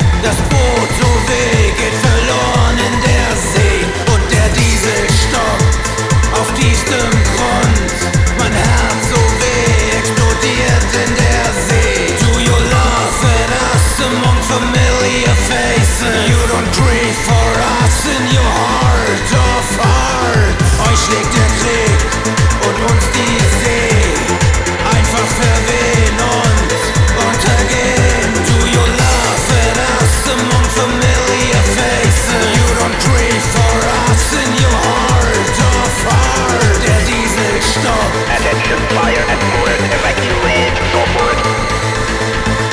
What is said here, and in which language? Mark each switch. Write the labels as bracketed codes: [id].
[de] Das Boot so weh geht verloren in der See. Und der Diesel stoppt auf tiefstem Grund. Mein Herz so weh explodiert in der See. [en] Do you love at us among familiar faces? You don't grieve for us in your heart of hearts. [de] Euch schlägt der Krieg und uns die See. Verwehen und untergehen. [en] Do you love at us among familiar faces? You don't grieve for us in your heart of heart. [de] Der Diesel stoppt. [en] Attention, fire at port. Evacuate sofort.